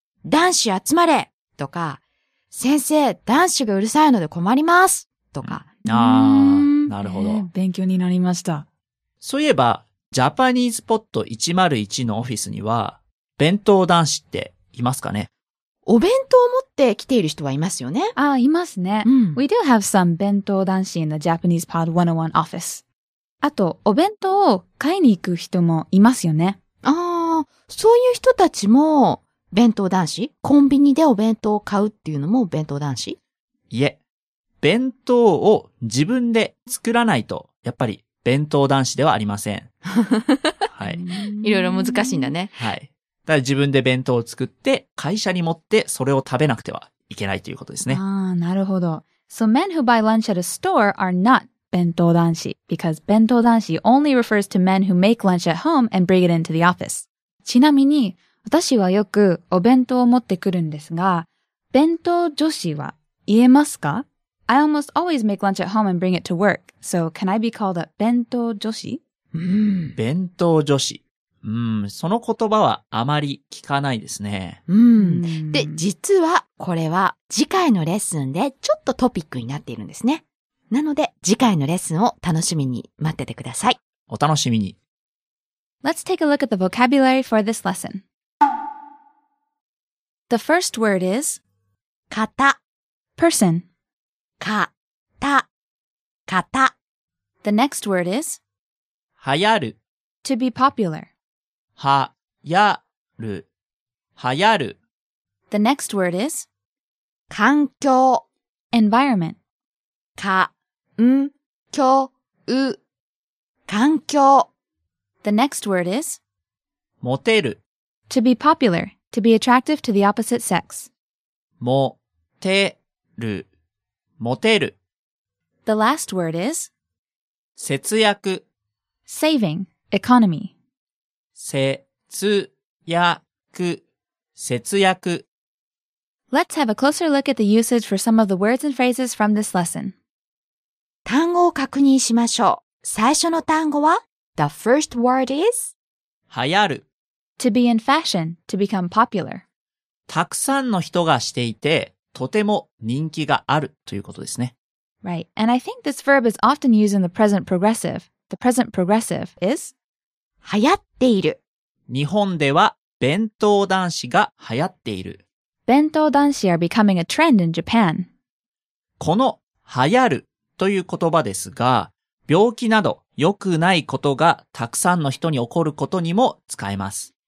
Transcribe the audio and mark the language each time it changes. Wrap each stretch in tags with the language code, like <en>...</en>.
<ja>男子集まれとか、先生、男子がうるさいので困りますとか。ああ、なるほど、勉強になりました。そういえば、ジャパニーズポット101のオフィスには弁当男子っていますかね？お弁当を持って来ている人はいますよね。あ、いますね、うん。</ja> <en>We do have some 弁当男子 in the Japanese Pod 101 office.</en> <ja>あと、お弁当を買いに行く人もいますよね。ああ、そういう人たちも弁当男子？コンビニでお弁当を買うっていうのも弁当男子？いえ、弁当を自分で作らないと、やっぱり弁当男子ではありません。はい。いろいろ難しいんだね。はい。だから自分で弁当を作って会社に持ってそれを食べなくてはいけないということですね。ああ、なるほど。</ja> <en>So men who buy lunch at a store are not 弁当男子 because 弁当男子 only refers to men who make lunch at home and bring it into the office.</en> <ja>ちなみに私はよくお弁当を持ってくるんですが、弁当女子は言えますか？</ja> <en>I almost always make lunch at home and bring it to work. So can I be called a 弁当女子？</en> <ja>弁当女子。その言葉はあまり聞かないですね。で、実はこれは次回のレッスンでちょっとトピックになっているんですね。なので次回のレッスンを楽しみに待っててください。お楽しみに。</ja> <en>Let's take a look at the vocabulary for this lesson. The first word is</en> <ja>型</ja> <en>person</en> <ja>型</ja> <en>The next word is</en> <ja>流行る</ja> <en>to be popular.</en> <ja>はやるはやる</ja> <en>The next word is</en> <ja>環境</ja> <en>environment</en> <ja>環境環境</ja> <en>The next word is</en> <ja>モテる</ja> <en>to be popular, to be attractive to the opposite sex</en> <ja>モテるモテる</ja> <en>The last word is</en> <ja>節約</ja> <en>saving, economy</en> <ja>節約</ja> <en>Let's have a closer look at the usage for some of the words and phrases from this lesson.</en> <ja>単語を確認しましょう。最初の単語は</ja> <en>The first word is</en> <ja>流行る</ja> <en>To be in fashion, to become popular.</en> <ja>たくさんの人がしていて、とても人気があるということですね。</ja> <en>Right, and I think this verb is often used in the present progressive. The present progressive is</en> <ja>流行っている日本では弁当男子が流行っている。</ja> <en>弁当男子 are becoming a trend in Japan.</en> <ja>この流行るという言葉ですが、病気など良くないことがたくさんの人に起こることにも使えます。</ja>